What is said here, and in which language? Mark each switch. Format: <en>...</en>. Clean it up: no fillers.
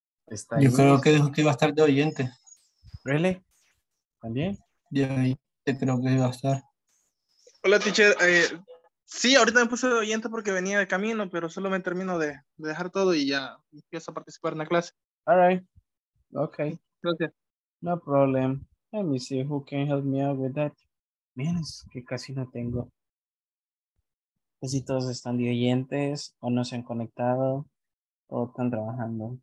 <es>¿Está ahí? Yo creo que dijo que iba a estar de oyente. ¿Really? ¿También? De oyente creo que iba a estar. Hola, teacher. Sí, ahorita me puse de oyente porque venía de camino, pero solo me termino de dejar todo y ya empiezo a participar en la clase.</es> <en>All right. Okay.</en> <es>Gracias.</es> <en>No problem. Let me see who can help me out with that.</en> <es>Miren, es que casi no tengo. Si todos están de oyentes o no se han conectado o están trabajando.</es>